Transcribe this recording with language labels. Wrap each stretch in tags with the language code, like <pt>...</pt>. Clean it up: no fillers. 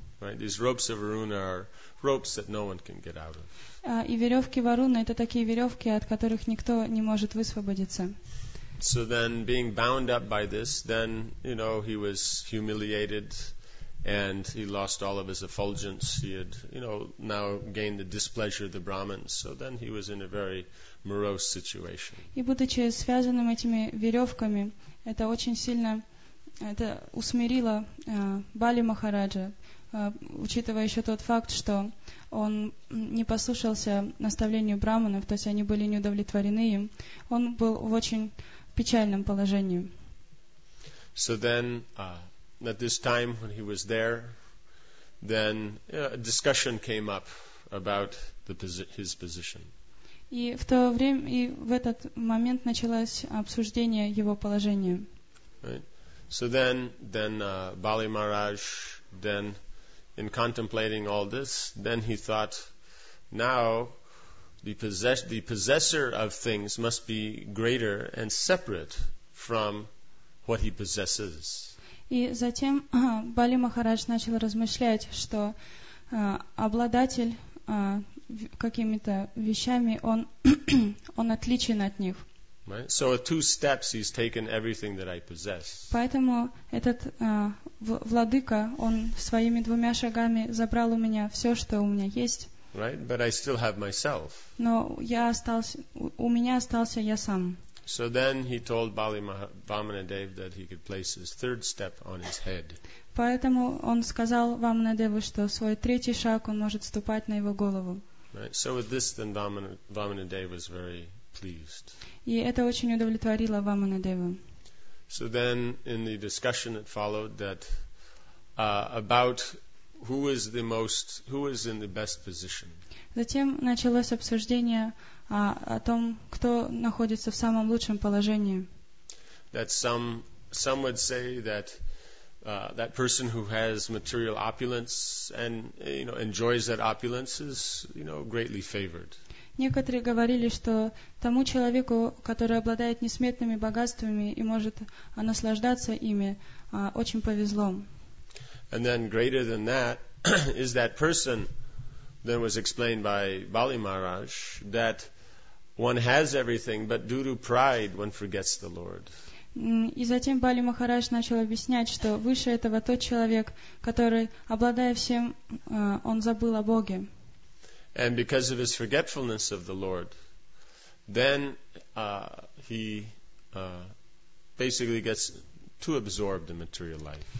<en>Right, these ropes of Varuna are ropes that no one can get out of.</en> <ru>И веревки Варуны — это такие веревки, от которых никто не может высвободиться.</ru> <en>So then, being bound up by this, then you know he was humiliated. And he lost all of his effulgence. He had, you know, now gained the displeasure of the Brahmins. So then he was in a very morose situation.</en> <ru>И будучи связанным этими веревками, это очень сильно, это усмирило Бали Махараджа, учитывая еще тот факт, что он не послушался наставлению Брахманов, то есть они были неудовлетворены им. Он был в очень печальном положении.</ru> <en>So then, at this time when he was there, then a discussion came up about his position.</en> <ru>И в то время, и в этот момент началось обсуждение его положения.</ru> <en>Right. So then Бали Махарадж, then in contemplating all this, then he thought, now the possessor of things must be greater and separate from what he possesses.</en> <ru>И затем Бали Махарадж начал размышлять, что обладатель какими-то вещами, он отличен от них.</ru> <en>Right. So with two steps he's taken everything that I possess.</en> <ru>Поэтому этот владыка, он своими двумя шагами забрал у меня все, что у меня есть.</ru> <en>Right, but I still have myself.</en> <ru>Но я остался, у меня остался я сам.</ru> <en>So then he told Bali Vamanadev that he could place his third step on his head.</en> <ru>Поэтому он сказал Ваманадеву, что свой третий шаг он может ступать на его голову.</ru> <en>Right. So with this, then Vamanadev was very pleased.</en> <ru>И это очень удовлетворило Ваманадеву.</ru> <en>So then, in the discussion that followed, that about who is the most, who is in the best position.</en> <ru>Затем началось обсуждение о том, кто находится в самом лучшем положении.</ru> <en>That some would say that person who has material opulence and, you know, enjoys that opulence is, you know, greatly favored.</en> <ru>Некоторые говорили, что тому человеку, который обладает несметными богатствами и может наслаждаться ими, очень повезло.</ru> <en>And then greater than that is that person, then was explained by Bali Maharaj, that One has everything, but due to pride, one forgets the Lord.</en> <ru>И затем Бали Махарадж начал объяснять, что выше этого тот человек, который, обладая всем, он забыл о Боге.</ru> <en>And because of his forgetfulness of the Lord, then he basically gets too absorbed in material life.</en>